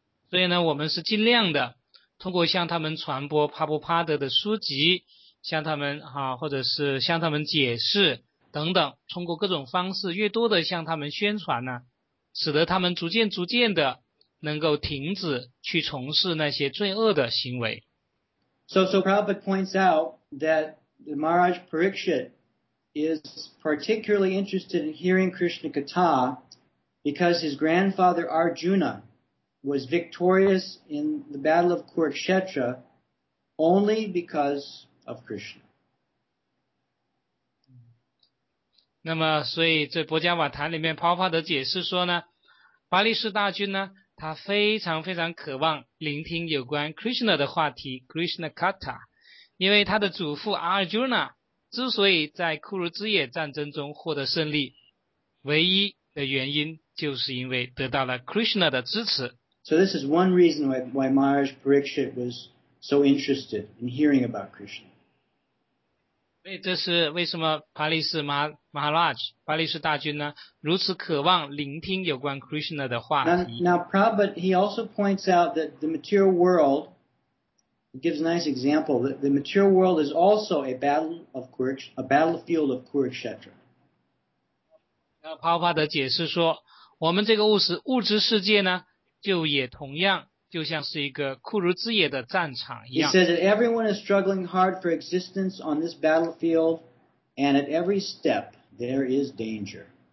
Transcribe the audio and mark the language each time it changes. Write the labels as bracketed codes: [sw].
[zh] 所以呢，我们是尽量的，通过向他们传播帕布帕德的书籍，向他们啊，或者是向他们解释等等，通过各种方式，越多的向他们宣传呢，使得他们逐渐逐渐的。能够停止去从事那些罪恶的行为。 [en] So Prabhupada points out that the Maharaj Parikshit is particularly interested in hearing Krishna Katha because his grandfather Arjuna was victorious in the Battle of Kurukshetra only because of Krishna. [zh] 那么所以在《薄伽瓦坛》里面 Prabhupada 解释说呢，巴利士大军呢他非常非常渴望聆听有关 Krishna 的话题 Krishna Katha， 因为他的祖父 Arjuna 之所以在库鲁之野战争中获得胜利，唯一的原因就是因为得到了 Krishna 的支持。 [en] So this is one reason why Maharaj Parikshit was so interested in hearing about Krishna. [zh] 所以这是为什么巴利士 Maharaj 巴利士大军呢如此渴望聆听有关 Krishna 的话题。 [en] Now Prabhupada, he also points out that the material world, he gives a nice example, that the material world is also a battlefield of Kurukshetra. [zh] 那Prabhupada 解释说，我们这个物质世界呢，就也同样，就像是一个库如之野的战场一样。 [en] He says that everyone is struggling hard for existence on this battlefield, and at every step, there is danger.